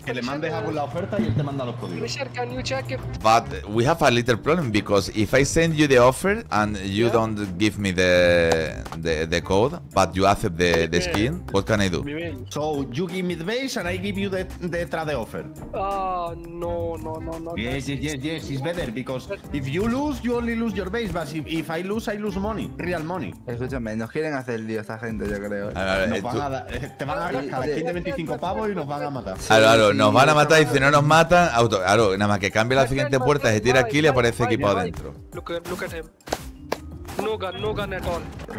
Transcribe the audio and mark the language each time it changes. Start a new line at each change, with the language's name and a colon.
Spanish: Que le mandes a la oferta y él te manda los códigos.
English: Fisher, can you check if... But we have a little problem because if I send you the offer and you don't give me the code, but you accept the skin, what can I do? So you give me the base and I give you the trade offer. No. Yes, it's better because if you lose, you only lose your base, but if I lose money, real money.
Spanish: Escúchame, nos quieren hacer el lío esta gente, yo creo. Te van a rascar a 25 pavos y nos van a matar. Nos van a matar y si no nos matan, nada más que cambie la siguiente puerta, se tira aquí y le aparece equipo adentro.
English: Look at him. No gun at all.